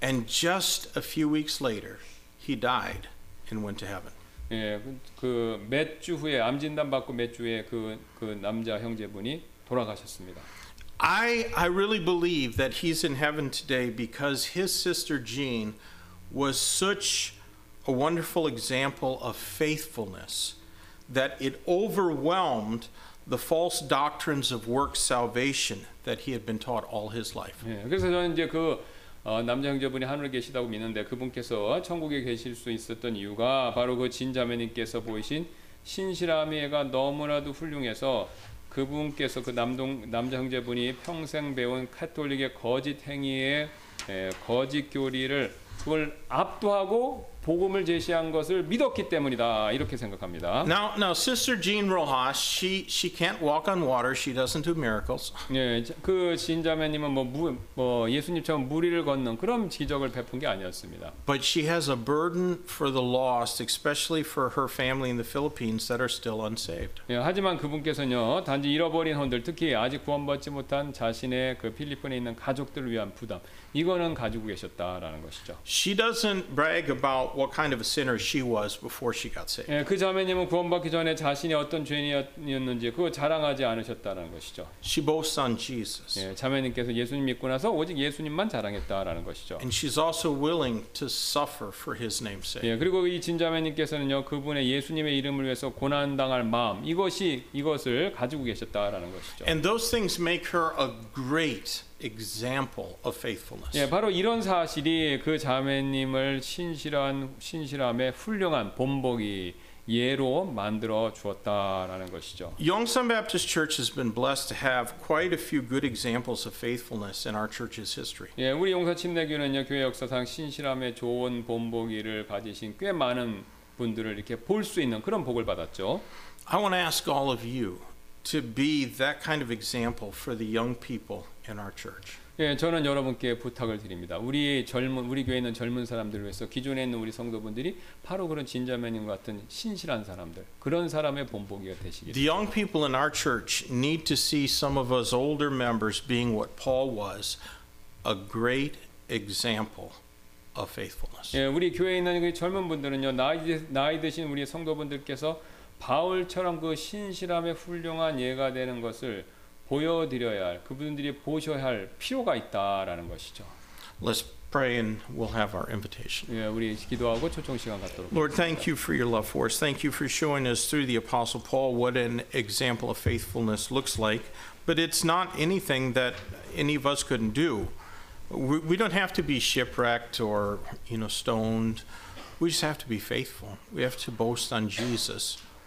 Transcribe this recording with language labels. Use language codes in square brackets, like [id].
[en] And just a few weeks later, he died and went to heaven. [ko] 예, 그 몇 주 후에 암 진단 받고 몇 주에 그 남자 형제분이 돌아가셨습니다. [en] I really believe that he's in heaven today because his sister Jean was such a wonderful example of faithfulness that it overwhelmed the false doctrines of work salvation that he had been taught all his life. [ko] 예, 그래서 저는 이제 그 남자 형제분이 하늘에 계시다고 믿는데 그분께서 천국에 계실 수 있었던 이유가 바로 그 진 자매님께서 보이신 신실함이가 너무나도 훌륭해서 그분께서 그 남자 형제분이 평생 배운 가톨릭의 거짓 행위의 거짓 교리를 그걸 압도하고 복음을 제시한 것을 믿었기 때문이다 이렇게 생각합니다. [en] Now, Sister Jean Rojas, she can't walk on water. She doesn't do miracles. [ko] 예, 그 진 자매님은 뭐 예수님처럼 물 위를 걷는 그런 기적을 베푼 게 아니었습니다. [en] But she has a burden for the lost, especially for her family in the Philippines that are still unsaved. [ko] 예, 하지만 그분께서는요, 단지 잃어버린 혼들, 특히 아직 구원받지 못한 자신의 그 필리핀에 있는 가족들을 위한 부담 이거는 가지고 계셨다라는 것이죠. [en] She doesn't brag about what kind of a sinner she was before she got saved. [ko] 예, 그 자매님은 구원받기 전에 자신이 어떤 죄인이었는지 그거 자랑하지 않으셨다는 것이죠. [en] She boasts on Jesus. [ko] 예, 자매님께서 예수님 믿고 나서 오직 예수님만 자랑했다라는 것이죠. [en] And she's also willing to suffer for His name's sake. [ko] 예, 그리고 이 진 자매님께서는요 그분의 예수님의 이름을 위해서 고난 당할 마음 이것을 가지고 계셨다라는 것이죠. [en] And those things make her a great example of faithfulness. [ko] 예, 바로 이런 사실이 그 자매님을 신실함의 훌륭한 본보기 예로 만들어 주었다라는 것이죠. [en] Yongsan Baptist Church has been blessed to have quite a few good examples of faithfulness in our church's history. [ko] 예, 우리 용산 침례교회는요, 교회 역사상 신실함의 좋은 본보기를 받으신 꽤 많은 분들을 이렇게 볼 수 있는 그런 복을 받았죠. [en] I want to ask all of you to be that kind of example for the young people in our church. [ko] 예, 저는 여러분께 부탁을 드립니다. 우리의 젊은 우리 교회 있는 젊은 사람들을 위해서 기존에 있는 우리 성도분들이 바로 그런 진자매님 같은 신실한 사람들 그런 사람의 본보기가 되시길. [en] The young people in our church need to see some of us older members being what Paul was, a great example. Of faithfulness. [ko] 예, 우리 교회에 있는 그 젊은 분들은요 나이 드신 우리 성도분들께서 바울처럼 그 신실함의 훌륭한 예가 되는 것을 보여드려야 할 그분들이 보셔야 할 필요가 있다라는 것이죠. [en] Let's pray and we'll have our invitation. [ko] 예, 우리 기도하고 초청 시간 갖도록. [en] Lord, thank you for your love for us. Thank you for showing us through the Apostle Paul what an example of faithfulness looks like. But it's not anything that any of us couldn't do. We don't have to be shipwrecked or, you know, stoned. We just have to be faithful. We have to boast on Jesus.